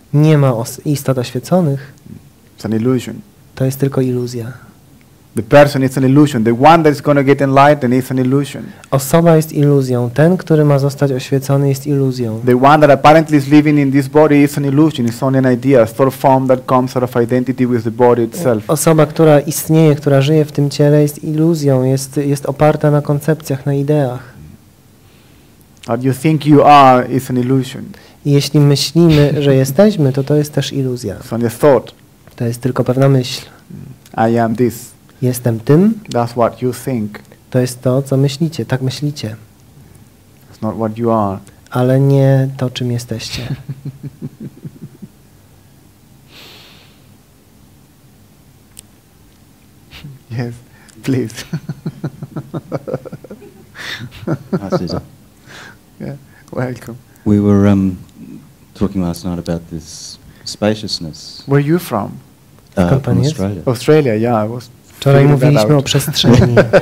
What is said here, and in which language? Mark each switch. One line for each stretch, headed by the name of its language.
Polish: Nie ma istot oświeconych.
English: It's an illusion.
Polish: To jest tylko iluzja.
English: The person is an illusion. The one that is going to get enlightened is an illusion.
Polish: Osoba jest iluzją. Ten, który ma zostać oświecony, jest iluzją.
English: The one that apparently is living in this body is an illusion. It's only an idea, a sort of form that comes out of identity with the body itself.
Polish: Osoba, która istnieje, która żyje w tym ciele, jest iluzją. Jest oparta na koncepcjach, na ideach.
English: What you think you are is an illusion.
Polish: Jeśli myślimy, że jesteśmy, to jest też iluzja.
English: It's only a thought.
Polish: To jest tylko pewna myśl.
English: I am this.
Polish: Jestem tym.
English: That's what you think.
Polish: To jest to, co myślicie. Tak myślicie.
English: It's not what you are.
Polish: Ale nie to, czym jesteście.
English: Yes, please. Yeah, welcome. We were talking last night about this spaciousness. Where are you from? From Australia. Australia, yeah, I was.
Polish: Wczoraj mówiliśmy o przestrzeni.